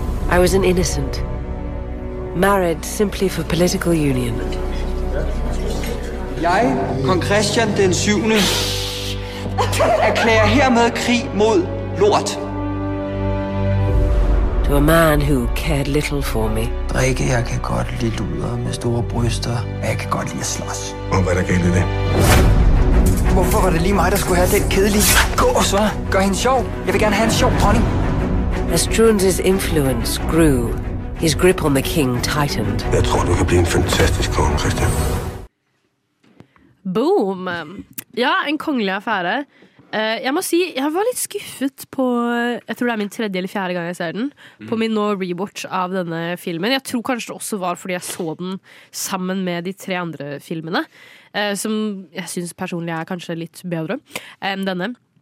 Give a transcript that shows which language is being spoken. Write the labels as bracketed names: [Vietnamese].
[English] I was an innocent, married simply for political union. [Danish] Jeg, kong Christian den 7., erklærer hermed krig mod lort. [English] To a man who cared little for me. [Danish] Drikke, jeg kan godt lide luder med store bryster. Jeg kan godt lide at slås. Og hvad der galt i det? Hvorfor var det lige mig, der skulle have den kedelige? Gå og svare. Gør hende sjov. Jeg vil gerne have en sjov dronning. [English] As Struens' influence grew, his grip on the king tightened. [Danish] Jeg tror, du kan blive en fantastisk kong, Christian. [Norwegian] Boom. Ja, en kongelig affære. Jeg må si, jeg var litt skuffet på, jeg tror det min tredje eller fjerde gang jeg ser den, på min nå rewatch av denne filmen. Jeg tror kanskje det også var fordi jeg så den sammen med de tre andre filmene, som jeg synes personlig kanskje litt bedre enn denne.